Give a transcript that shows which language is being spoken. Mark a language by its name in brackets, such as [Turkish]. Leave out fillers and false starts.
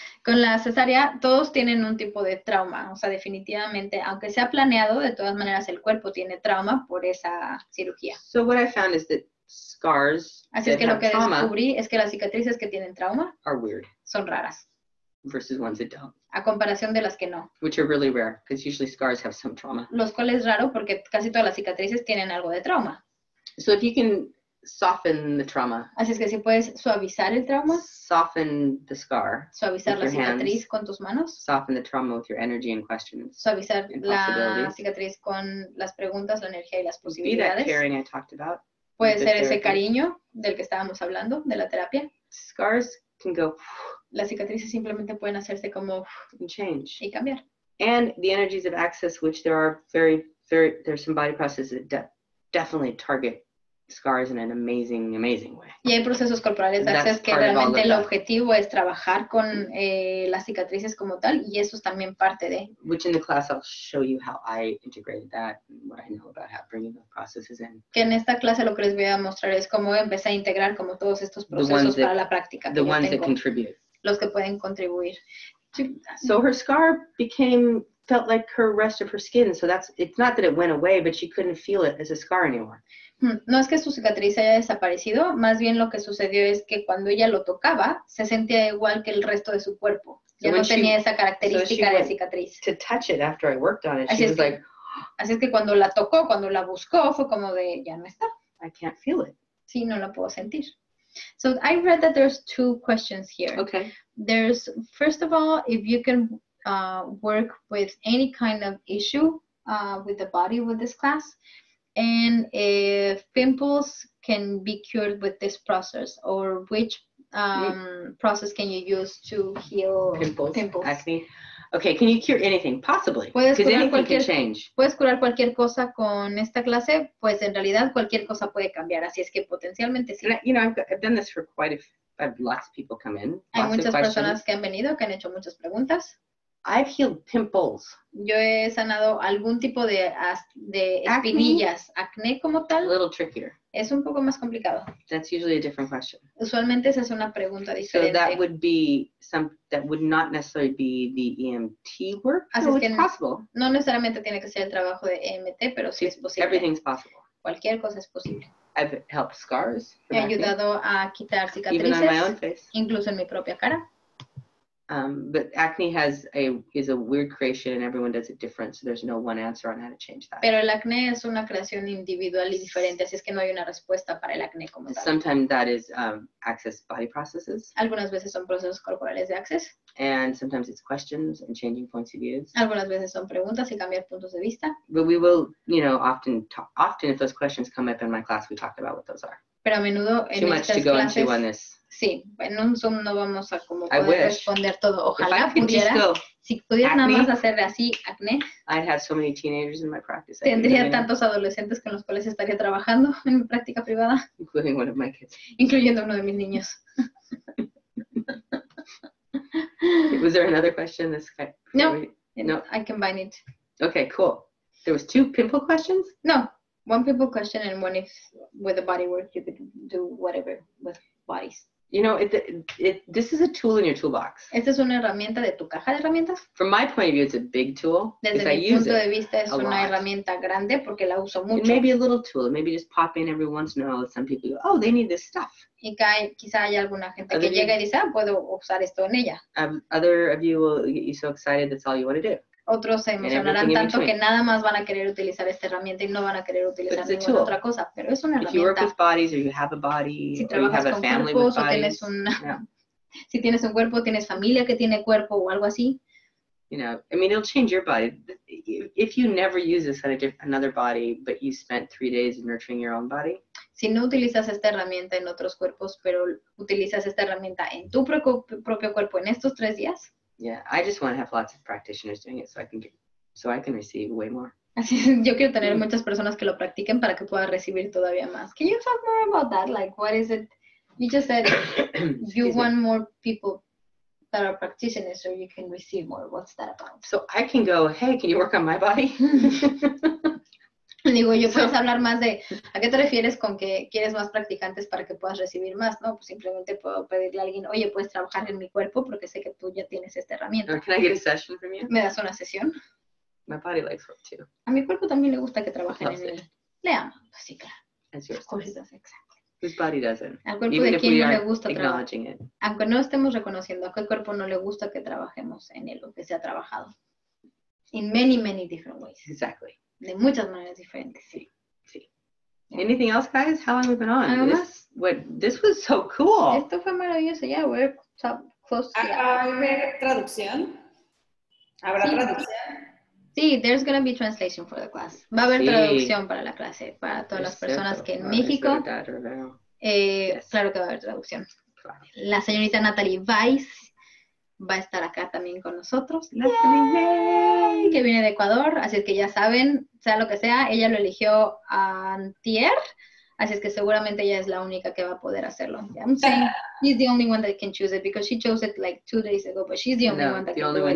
[Spanish] Con la cesárea, todos tienen un tipo de trauma. O sea, definitivamente, aunque sea planeado, de todas maneras, el cuerpo tiene trauma por esa cirugía. [English] So what I found is that scars [Spanish] así es que lo que descubrí es que las cicatrices que tienen trauma [English] are weird. [Spanish] Son raras. [English] Versus ones that don't. [Spanish] A comparación de las que no. [English] Which are really rare, because usually scars have some trauma. [Spanish] Los cuales es raro porque casi todas las cicatrices tienen algo de trauma. [English] So if you can soften the trauma. [Spanish] Así es que si puedes suavizar el trauma. [English] Soften the scar. [Spanish] Suavizar la cicatriz con tus manos. [English] Soften the trauma with your energy and questions. [Spanish] Suavizar la cicatriz con las preguntas, la energía y las posibilidades. [English] Be that caring I talked about. [Spanish] Puede ser ese cariño del que estábamos hablando, de la terapia. [English] Scars can go. [Spanish] Las cicatrices simplemente pueden hacerse como. [English] And change. [Spanish] Y cambiar. [English] And the energies of access, which there are very, there's some body processes that definitely target scars in an amazing, amazing way. [Spanish] Y hay procesos corporales de acceso que realmente el objetivo es trabajar con las cicatrices como tal, y eso es también parte de. [English] Which in the class I'll show you how I integrated that and what I know about how bringing those processes in. [Spanish] Que en esta clase lo que les voy a mostrar es cómo empecé a integrar como todos estos procesos para la práctica. [English] The ones that contribute. [Spanish] Los que pueden contribuir. [English] So her scar became, felt like her rest of her skin. So that's, it's not that it went away, but she couldn't feel it as a scar anymore. [Spanish] No es que su cicatriz haya desaparecido, más bien lo que sucedió es que cuando ella lo tocaba, se sentía igual que el resto de su cuerpo. Ya no tenía esa característica de cicatriz. [English] To touch it after I worked on it, she was like, [Spanish] así es que cuando la tocó, cuando la buscó, fue como de, ya no está. [English] I can't feel it. [Spanish] Sí, no la puedo sentir. [English] So I read that there's two questions here. Okay. There's, first of all, if you can work with any kind of issue with the body with this class, and if pimples can be cured with this process, or which process can you use to heal pimples? Acne. Okay, can you cure anything? Possibly. [Spanish] Puedes curar [English] anything [Spanish] cualquier, [English] can change. [Spanish] ¿Puedes curar cualquier cosa con esta clase? Pues en realidad cualquier cosa puede cambiar, así es que potencialmente sí. [English] You know, I've done this for quite a few, I've lots of people come in. [Spanish] Hay muchas personas que han venido, que han hecho muchas preguntas. [English] I've healed pimples. [Spanish] Yo he sanado algún tipo de espinillas. Acne. Acné como tal. [English] A little trickier. [Spanish] Es un poco más complicado. [English] That's usually a different question. [Spanish] Usualmente esa es una pregunta diferente. [English] So that would be some, that would not necessarily be the EMT work. [Spanish] Así es que [English] it's possible. [Spanish] No necesariamente tiene que ser el trabajo de EMT, pero sí es posible. [English] Everything's possible. [Spanish] Cualquier cosa es posible. [English] I've helped scars. [Spanish] He ayudado a quitar cicatrices. [English] Even on my own face. [Spanish] Incluso en mi propia cara. [English] But acne has is a weird creation and everyone does it different, so there's no one answer on how to change that. [Spanish] Pero el acné es una creación individual y diferente, así es que no hay una respuesta para el acné como tal. [English] Sometimes that is access body processes. [Spanish] Algunas veces son procesos corporales de access. [English] And sometimes it's questions and changing points of views. [Spanish] Algunas veces son preguntas y cambiar puntos de vista. [English] But we will, you know, often if those questions come up in my class, we talk about what those are. [Spanish] Pero a menudo en [English] too much [Spanish] estas [English] to go [Spanish] clases, [English] into on this. [Spanish] Sí, en un Zoom no vamos a como poder responder todo. Ojalá pudiera. Si pudiera [English] acne, [Spanish] nada más hacer así, acné. [English] I'd have so many teenagers in my practice. [Spanish] Tendría tantos adolescentes con los cuales estaría trabajando en mi práctica privada. [English] Including one of my kids. [Spanish] Incluyendo uno de mis niños. [English] Was there another question? This guy, no. [Spanish] No. [English] I combine it. Okay, cool. There was two pimple questions? No. One pimple question and one if with the body work you could do whatever with bodies. You know, this is a tool in your toolbox. [Spanish] Esta es una herramienta de tu caja de herramientas. [English] From my point of view, it's a big tool. [Spanish] Desde mi punto de vista, es una herramienta grande porque la uso mucho. [English] It may be a little tool. Maybe just pop in every once in a while. Some people go, oh, they need this stuff. [Spanish] Y que quizá haya alguna gente que llega y dice, ah, puedo usar esto en ella. [English] Other of you will get you so excited, that's all you want to do. [Spanish] Otros se emocionarán tanto que nada más van a querer utilizar esta herramienta y no van a querer utilizar ninguna [English] tool. [Spanish] Otra cosa, pero es una [English] if [Spanish] herramienta. [English] You work with bodies or you have a body, [Spanish] si trabajas [English] you have [Spanish] con [English] a family [Spanish] cuerpos [English] with bodies, [Spanish] o tienes una, yeah. Si tienes un cuerpo, tienes familia que tiene cuerpo o algo así. [English] You know, I mean, it'll change your body. If you never use this on another body, but you spent 3 days nurturing your own body. [Spanish] Si no utilizas esta herramienta en otros cuerpos, pero utilizas esta herramienta en tu propio cuerpo en estos 3 días. [English] Yeah, I just want to have lots of practitioners doing it so I can receive way more. [Spanish] Así, yo quiero tener muchas personas que lo practiquen para que pueda recibir todavía más. [English] Can you talk more about that? Like, what is it? You just said you want more people that are practitioners so you can receive more. What's that about? So I can go, hey, can you work on my body? [Spanish] Digo, yo puedes hablar más de, ¿a qué te refieres con que quieres más practicantes para que puedas recibir más, no? Pues simplemente puedo pedirle a alguien, oye, ¿puedes trabajar en mi cuerpo? Porque sé que tú ya tienes esta herramienta. [English] Or can I get a session from you? [Spanish] ¿Me das una sesión? [English] My body likes work too. [Spanish] A mi cuerpo también le gusta que trabajen en él. Le amo. Pues sí, claro. [English] As yours does. Exactly. Whose body doesn't? [Spanish] Al cuerpo [English] even [Spanish] de quien no le gusta trabajar. Aunque no estemos reconociendo, ¿a qué cuerpo no le gusta que trabajemos en él o que sea trabajado? [English] In many, many different ways. Exactly. [Spanish] De muchas maneras diferentes. [English] Sí. Anything else, guys? How long have we been on? This was so cool. [Spanish] Esto fue maravilloso. [English] Yeah, we're close to the end. [Spanish] Traducción. ¿Habrá traducción? [English] Sí, there's going to be translation for the class. [Spanish] Va a haber traducción para la clase, para todas las personas que en México. Claro que va a haber traducción. La señorita Natalie Weiss va a estar acá también con nosotros. Natalie, que viene de Ecuador, así es que ya saben, sea lo que sea, ella lo eligió antier, así es que seguramente ella es la única que va a poder hacerlo. [English] I'm saying she's the only one that can choose it because she chose it like 2 days ago, but she's the only one that can do it.